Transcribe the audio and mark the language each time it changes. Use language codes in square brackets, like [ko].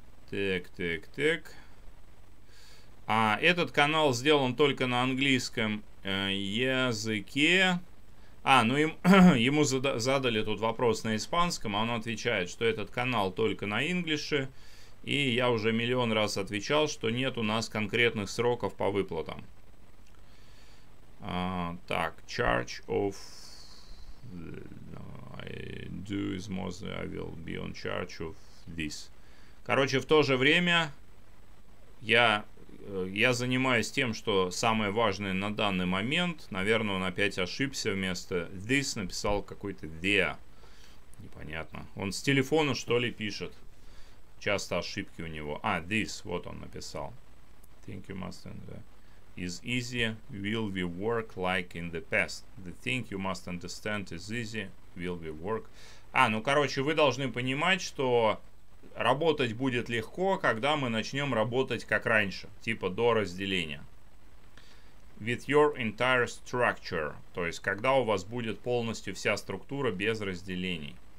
[ru] Так, так, так. А этот канал сделан только на английском языке. А, ну им, ему задали тут вопрос на испанском, а он отвечает, что этот канал только на инглише. И я уже миллион раз отвечал, что нет у нас конкретных сроков по выплатам. Так, [en] charge of... Do is more than I will be on charge of this. [ru] Короче, в то же время я занимаюсь тем, что самое важное на данный момент. Наверное, он опять ошибся, вместо this написал какой-то there. Непонятно. Он с телефона, что ли, пишет. Часто ошибки у него. А, this, вот он написал. [en] Think you must understand. Is easy, will we work like in the past? The thing you must understand is easy, will we work. [ru] А, ну короче, вы должны понимать, что работать будет легко, когда мы начнем работать как раньше, типа до разделения. [en] With your entire structure. [ru] То есть, когда у вас будет полностью вся структура без разделений.